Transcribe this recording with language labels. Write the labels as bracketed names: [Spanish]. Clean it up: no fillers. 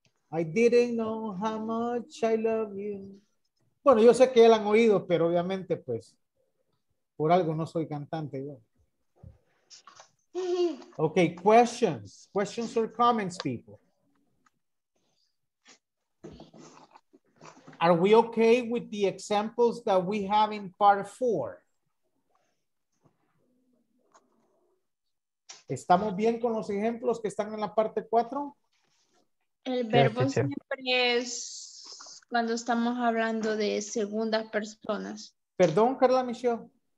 [English] I didn't know how much I love you. [Spanish] Bueno, yo sé que ya la han oído, pero obviamente, pues, por algo no soy cantante yo. [English] Okay, questions. Questions or comments, people? Are we okay with the examples that we have in part four? [Spanish] ¿Estamos bien con los ejemplos que están en la parte cuatro? El verbo siempre es cuando estamos hablando de segundas personas. Perdón, Carla Michelle.